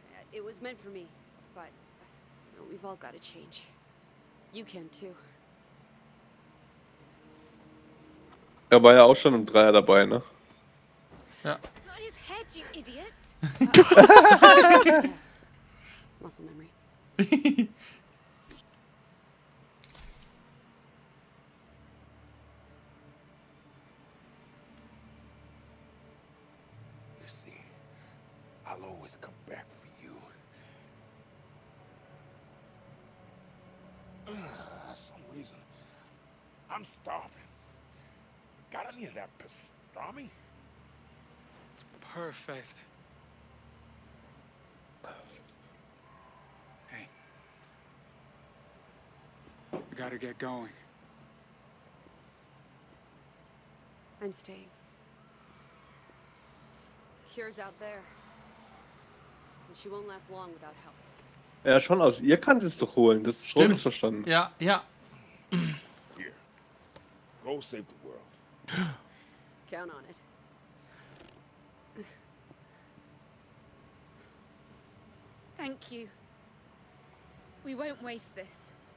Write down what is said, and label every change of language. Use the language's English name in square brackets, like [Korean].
[English] It was meant for me, but we've all got to change. You can too. [German] Er war ja auch schon im Dreier dabei, ne? Ja. [English] Muscle memory. You see, I'll always come back for you. For some reason, I'm starving. Got any of that pastrami? Perfect. Hey. I gotta get going. I'm staying. The cure's out there. And she won't last long without help. [German] Ja, schon aus. Ihr kann sie es doch holen. Das ist schon missverstanden. Ja, ja. [English] Here. Go save the world. Count on it. Thank you. We won't waste this.